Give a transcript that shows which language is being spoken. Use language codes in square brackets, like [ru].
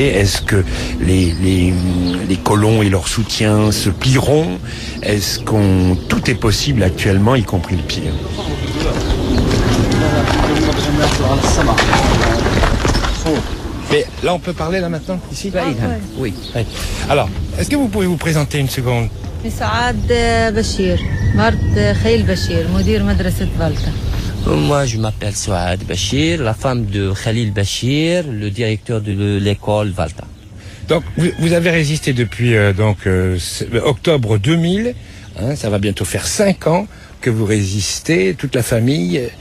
[fr] Est-ce que les colons et leur soutien se plieront? Est-ce qu'on... Tout est possible actuellement, y compris le pire. Mais là, on peut parler, là, maintenant, ici? Ah, oui. Alors, est-ce que vous pouvez vous présenter une seconde? [ar] اسمي سعاد بشير، مرت خيل بشير، مدير مدرسة بالكا. [fr] Moi, je m'appelle Souad Bachir, la femme de Khalil Bachir, le directeur de l'école Valta. Donc, vous avez résisté depuis octobre 2000. Hein, ça va bientôt faire 5 ans que vous résistez, toute la famille.